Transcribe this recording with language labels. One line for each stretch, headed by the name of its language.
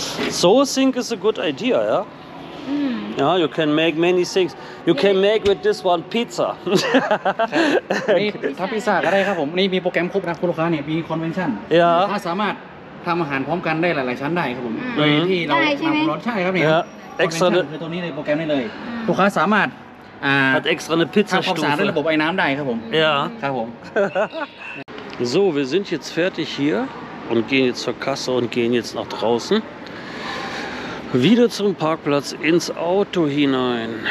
English: So think is a good idea, ja? Yeah? Mm. Yeah, you can make many things. You can make with this one pizza.
Thai: ถ้าพิซซ่าก็ได้ครับผมนี่มีโปรแกรมครบนะคุณลูกค้าเนี่ยมีคอนเวนชั่น เรา สามารถทำอาหารพร้อมกันได้หลายๆชั้นได้ครับผมโดยที่เราทำรสใช่ครับเนี่ยเอ็กซ์ตร้าคือตัวนี้ในโปรแกรมนี้เลยลูกค้าสามารถ
German: So, wir sind jetzt fertig hier und gehen jetzt zur Kasse und gehen jetzt nach draußen. Wieder zum Parkplatz ins Auto hinein.